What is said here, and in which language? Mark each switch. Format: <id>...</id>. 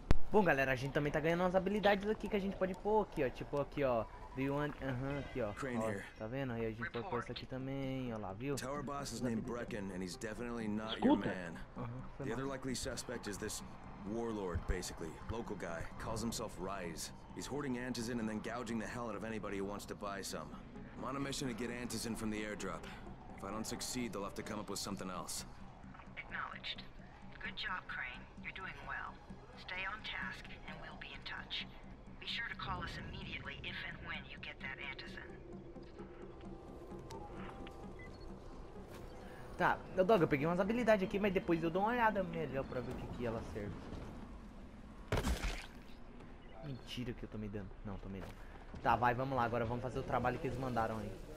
<pt>Bom, galera, a gente também tá ganhando umas habilidades aqui que a gente pode pôr aqui, ó. Tipo aqui, ó.</pt> <en>Do you want...</en> <pt>aqui, ó.</pt> <en>Crane here.</en> <pt>Tá vendo? Aí a gente pode pôr isso aqui também, ó lá, viu?</pt> <en>Tower boss is named Brecken, and he's definitely not your man. The other likely suspect is this warlord, basically. Local guy. Calls himself Rise. He's hoarding antizin and then gouging the hell out of anybody who wants to buy some. I'm on a mission to get antizin from the airdrop. If I don't succeed, they'll have to come up with something else. Acknowledged. Good job, Crane. You're doing well. Stay on task, and we'll be in touch. Be sure to call us immediately if and when you get that antizin.</en> <pt>Tá, eu, Dog, eu peguei umas habilidades aqui, mas depois eu dou uma olhada melhor pra ver o que ela serve. Mentira que eu tomei dano. Não, tomei dano. Tá, vai, vamos lá, agora vamos fazer o trabalho que eles mandaram aí.</pt>